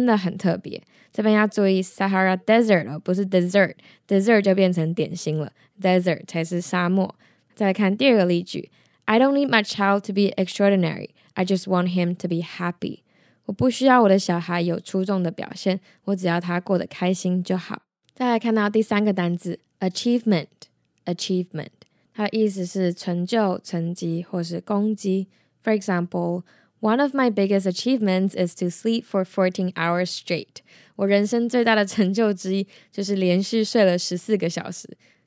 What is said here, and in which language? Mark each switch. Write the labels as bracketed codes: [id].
[zh] 你在撒哈拉沙漠的冒险真的很特别。这边要注意 Sahara Desert 哦，不是 dessert， dessert 就变成点心了， desert 才是沙漠。再来看第二个例句 [en] I don't need my child to be extraordinary. I just want him to be happy. [zh] 我不需要我的小孩有出众的表现，我只要他过得开心就好。再来看到第三个单字 achievement, achievement. 它的意思是成就、成绩或是功绩。 [en] For example, one of my biggest achievements is to sleep for 14 hours straight. [zh] 我人生最大的成就之一就是连续睡了14个小时。